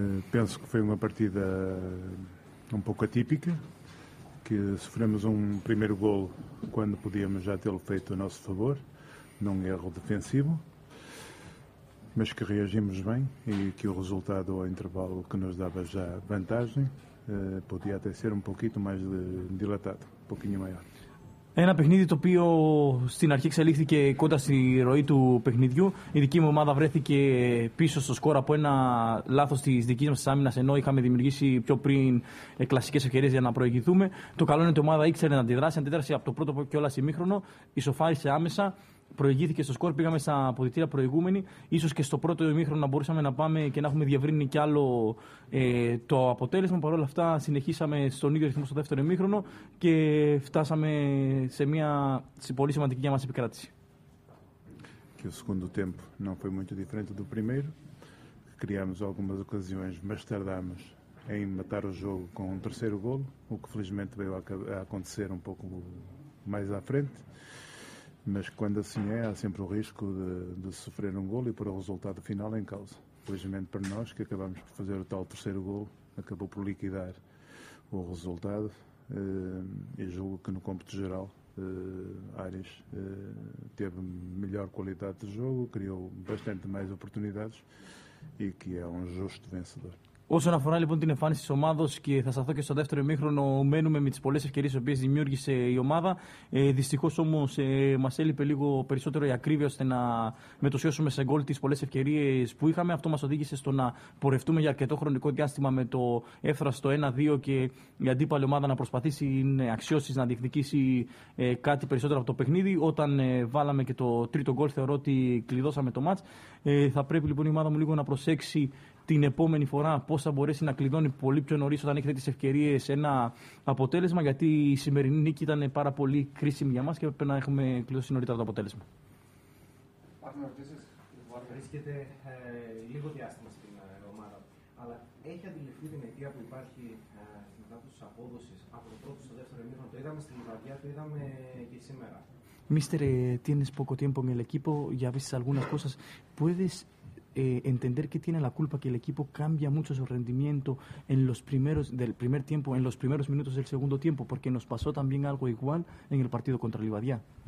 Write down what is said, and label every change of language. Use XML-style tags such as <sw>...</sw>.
<pt>Penso que foi uma partida um pouco atípica, que sofremos um primeiro gol quando podíamos já tê-lo feito a nosso favor, num erro defensivo. Mas que reagimos bem e que o resultado ao intervalo que nos dava já vantagem podia até ser um pouquinho mais dilatado, um pouquinho maior.</pt> <el>Ένα παιχνίδι το οποίο στην αρχή εξελίχθηκε κοντά στη ροή του παιχνιδιού. Η δική μου ομάδα βρέθηκε πίσω στο σκορ από ένα λάθος της δικής μας άμυνας, ενώ είχαμε δημιουργήσει πιο πριν κλασικές ευκαιρίες για να προηγηθούμε. Το καλό είναι ότι η ομάδα ήξερε να αντιδράσει. Αντίδρασε από το πρώτο κιόλας ημίχρονο, ισοφάρισε άμεσα. Προηγήθηκε στο σκορ, πήγαμε στα αποδυτήρια προηγούμενοι. Ίσως και στο πρώτο ημίχρονο να μπορούσαμε να πάμε και να έχουμε διευρύνει κι άλλο το αποτέλεσμα. Παρ' όλα αυτά, συνεχίσαμε στον ίδιο ρυθμό στο δεύτερο ημίχρονο και φτάσαμε σε μια πολύ σημαντική για μας επικράτηση. Και ο</el> <pt>segundo tempo não foi muito diferente do primeiro. Criámos algumas ocasiões, mas tardámos em matar o jogo com um terceiro golo, o que felizmente veio a acontecer um pouco mais à frente. Mas quando assim é, há sempre o risco de sofrer um golo e pôr o resultado final em causa. Felizmente para nós, que acabamos por fazer o tal terceiro golo, acabou por liquidar o resultado. E julgo que no cómputo geral, Áries teve melhor qualidade de jogo, criou bastante mais oportunidades e que é um justo vencedor.</pt> <el>Όσον αφορά λοιπόν την εμφάνιση της ομάδος και θα σταθώ και στο δεύτερο ημίχρονο, μένουμε με τις πολλές ευκαιρίες που δημιούργησε η ομάδα. Δυστυχώς όμως μας έλειπε λίγο περισσότερο η ακρίβεια ώστε να μετουσιώσουμε σε γκολ τις πολλές ευκαιρίες που είχαμε. Αυτό μας οδήγησε στο να πορευτούμε για αρκετό χρονικό διάστημα με το εύθραστο 1-2 και η αντίπαλη ομάδα να προσπαθήσει αξιώσεις να διεκδικήσει κάτι περισσότερο από το παιχνίδι. Όταν βάλαμε και το τρίτο γκολ, θεωρώ ότι κλειδώσαμε το ματς. Θα πρέπει λοιπόν η ομάδα μου λίγο να προσέξει την επόμενη φορά πώς θα μπορέσει να κλειδώνει πολύ πιο νωρίς όταν έχετε τις ευκαιρίες ένα αποτέλεσμα, γιατί η σημερινή νίκη ήταν πάρα πολύ κρίσιμη για μας και έπρεπε να έχουμε κλειδώσει νωρίτερα το αποτέλεσμα. Υπάρχουν ερωτήσεις. Βρίσκεται λίγο διάστημα στην ομάδα, αλλά έχει αντιληφθεί την αιτία που υπάρχει στην κατάσταση της απόδοσης από το πρώτο στο δεύτερο ημίχρονο? Το είδαμε στην βραδιά, το είδαμε και σήμερα.</el> <es>Mister, tienes poco tiempo en el equipo, ya viste algunas cosas. ¿Puedes entender qué tiene la culpa que el equipo cambia mucho su rendimiento en los primeros del primer tiempo, en los primeros minutos del segundo tiempo? Porque nos pasó también algo igual en el partido contra Livadia.</es>